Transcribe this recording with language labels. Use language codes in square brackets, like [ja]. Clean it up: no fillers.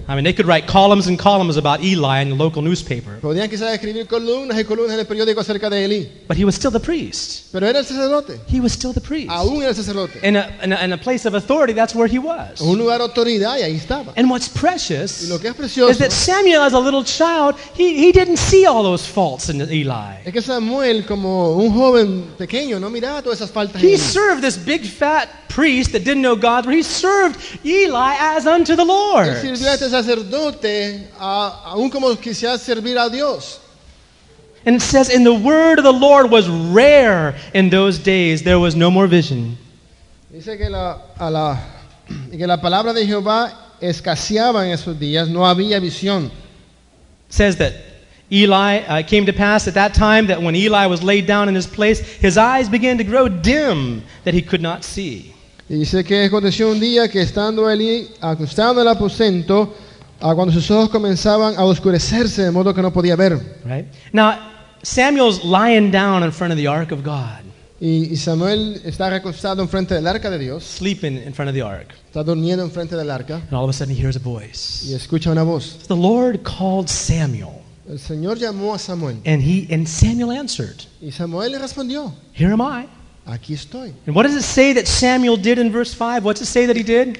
[en] I mean, they could write columns and columns about Eli in the local newspaper. [es] Podían quizás escribir columnas y columnas en el periódico acerca de Eli. [en] But he was still the priest. [es] Pero era el sacerdote. [en] He was still the priest. [es] Aún era el sacerdote. [en] In a place of authority, that's where he was. [es] Un lugar de autoridad y ahí estaba. [en] And what's precious, [es] y lo que es precioso, [en] is that Samuel, as a little child, he didn't see all those faults in Eli. [es] Es que Samuel, como un joven pequeño, no miraba todas esas faltas. [en] He served this big fat priest that didn't know God, but he served Eli as unto the Lord. [es] Él sirvió a este sacerdote, aún como quisiera servir a Dios. [en] And it says, and the word of the Lord was rare in those days. There was no more vision. [es] Dice que la palabra de Jehová escaseaba en esos días. No había visión. [en] Says that Eli, came to pass at that time that when Eli was laid down in his place, his eyes began to grow dim that he could not see. [es] Dice que aconteció un día que estando Eli acostado en el aposento, cuando sus ojos comenzaban a oscurecerse de modo que no podía ver. [en] Right? Now, Samuel's lying down in front of the ark of God. [es] Y Samuel está recostado en frente del arca de Dios. [en] Sleeping in front of the ark. [es] Está durmiendo en frente del arca. [en] And all of a sudden he hears a voice. [es] Y escucha una voz. [en] The Lord called Samuel. [es] El Señor llamó a Samuel. [en] And Samuel answered. [es] Y Samuel le respondió. [en] Here am I. [es] Aquí estoy. [en] And what does it say that Samuel did in verse 5? What's it say that he did?